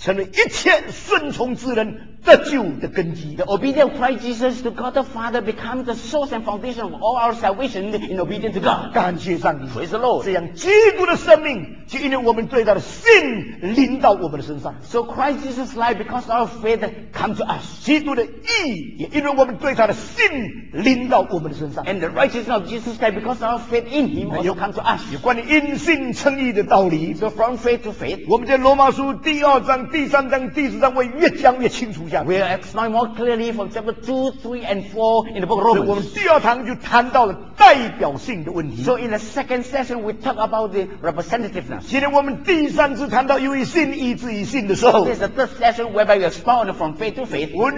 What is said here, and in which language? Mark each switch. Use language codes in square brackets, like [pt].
[zh] 耶稣基督对父神的顺从，成了一切顺从之人得救的根基。 [en] The obedience of Christ Jesus to God the Father becomes the source and foundation of all our salvation in obedience to God. [zh] 感谢上帝。 [en] Praise the Lord. [zh] 这样基督的生命，就因为我们最大的信临到我们的身上。 [en] So Christ Jesus' life because of our faith come to us. [zh] 基督的义，也因为我们最大的信临到我们的身上。 [en] And the righteousness of Jesus Christ because of our faith in Him also come to us. [zh] 有关于因信称义的道理。 [en] So from faith to faith. [zh] 我们在罗马书第二章、第三章、第四章会越讲越清楚下去。 [en] We'll explain more clearly from chapter 2, 3, and 4 in the book of Romans. [zh] 我们第二堂就谈到了代表性的问题。 [en] So in the second session, we talk about the representativeness. [zh] 今天我们第三次谈到因为信义至于信的时候。 [en] This is the third session whereby we expound from faith to faith.